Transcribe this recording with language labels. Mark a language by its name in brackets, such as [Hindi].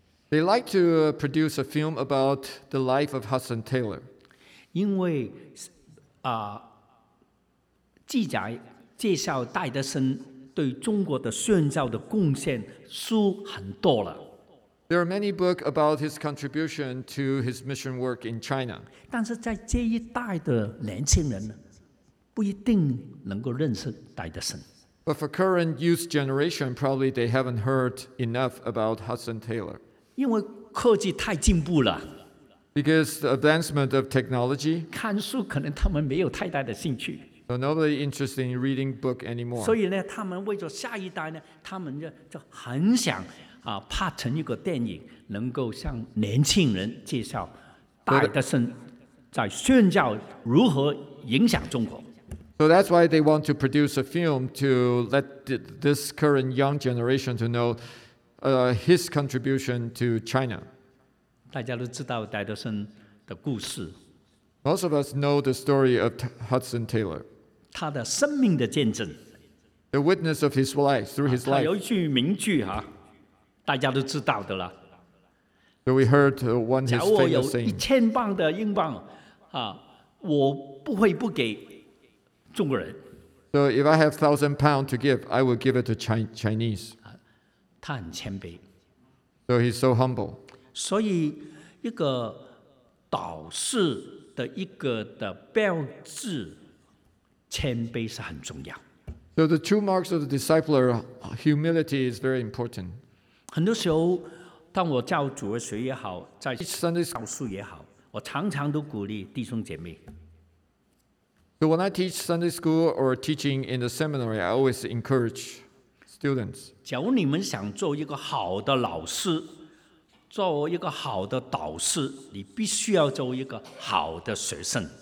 [English] They like to produce a film about the life of Hudson Taylor. [Chinese] 因为记载介绍戴德森对中国的宣教的贡献书很多了。 [English] There are many books about his contribution to his mission work in China. [Chinese] 但是在这一代的年轻人不一定能够认识戴德森。 [English] But for current youth generation, probably they haven't heard enough about Hudson Taylor. [Chinese] 因为科技太进步了。 [English] Because the advancement of technology. [Chinese] 看书可能他们没有太大的兴趣。 [English] So nobody interested in reading book anymore. [Chinese] 所以呢，他们为了下一代呢，他们就很想拍成一个电影，能够向年轻人介绍戴德森在宣教如何影响中国。 [English] So that's why they want to produce a film to let this current young generation to know his contribution to China. [Chinese] 大家都知道戴德森的故事。 [English] Most of us know the story of Hudson Taylor. [Chinese] 他的生命的见证。 [English] The witness of his life, through his life. [Chinese] 他有一句名句啊，大家都知道的了。 [English] So we heard one of his famous sayings. [Chinese] 假如我有一千磅的英镑啊，我不会不给。中国人。 [English] So if I have £1,000 to give, I will give it to Chinese. [Chinese] 他很谦卑。 [English] So he's so humble. [Chinese] 所以一个导师的一个的标志，谦卑是很重要。 [English] So the two marks of the disciple are humility is very important. [Chinese] 很多时候，当我教主日学也好，在教书也好，我常常都鼓励弟兄姐妹。 [English] So when I teach Sunday school or teaching in the seminary, I always encourage students. [Chinese] 假如你们想做一个好的老师，做一个好的导师，你必须要做一个好的学生。